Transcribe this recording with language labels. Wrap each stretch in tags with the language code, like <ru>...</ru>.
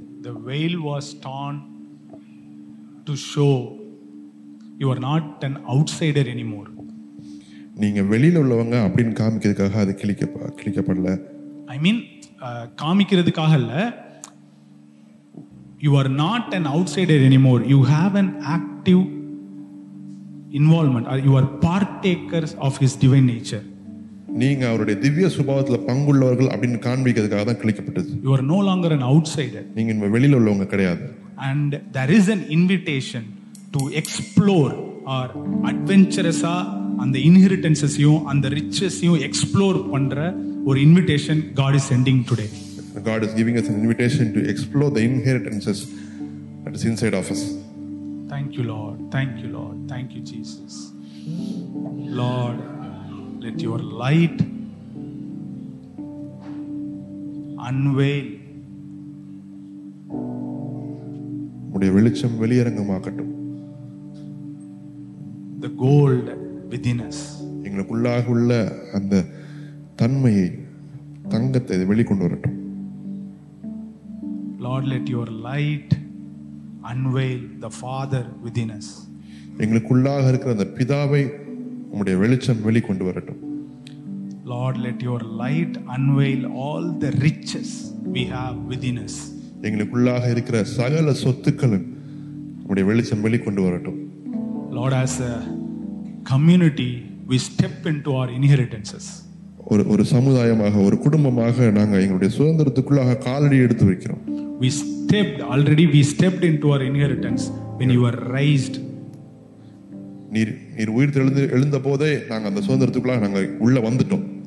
<en>The veil was torn to show you are not an outsider anymore.</en> <ta>நீங்க வெளியில உள்ளவங்க அப்படிን காமிக்கிறதுக்காக அது கிளிக்கப்படல.</ta> <en>I mean</en> <ta>காமிக்கிறதுக்காக இல்ல,</ta> <en>you are not an outsider anymore, you have an active involvement or you are partakers of his divine nature.</en> <ta>நீங்க அவருடைய திவ்ய சுபாவத்துல பங்குள்ளவர்கள் அப்படிን காண்பிக்கிறதுக்காக தான் கிளிக்கப்பட்டது.</ta> <en>You are no longer an outsider.</en> <ta>நீங்க வெளியில உள்ளவங்க கிடையாது.</ta> <en>And there is an invitation to explore or adventurous and the inheritances you and the riches you explore pandra or invitation God is sending today. God is giving us an invitation to explore the inheritances that is inside of us. Thank you Lord, thank you Lord, thank you Jesus. Lord, let your light unveil</en> <ta>mudiya velicham veliyarangamaakkattum</ta> <en>the gold within us.</en> <ta>எங்களுக்குள்ளாக உள்ள அந்த தன்மையை தங்கத்தை வெளிக்கொண்டு வரட்டும்.</ta> <en>Lord, let your light unveil the Father within us.</en> <ta>எங்களுக்குள்ளாக இருக்கிற அந்த பிதாவை உம்முடைய வெளிச்சம் வெளிக்கொண்டு வரட்டும்.</ta> <en>Lord, let your light unveil all the riches we have within us.</en> <ta>எங்களுக்குள்ளாக இருக்கிற சகல சொத்துக்களும் உம்முடைய வெளிச்சம் வெளிக்கொண்டு வரட்டும்.</ta> <en>Lord, as a community, we step into our inheritances.</en> <ta>ஒரு சமுதாயமாக, ஒரு குடும்பமாக நாங்கள் எங்களுடைய சுதந்திரத்துக்குள்ளாக காலடி எடுத்து வைக்கிறோம்.</ta> <en>We stepped into our inheritance when you were raised.</en> <ta>நீர் உயிர் எழுந்த போதே நாங்கள் அந்த சுதந்திரத்துக்குள்ளாக நாங்கள் உள்ள வந்துட்டோம்.</ta>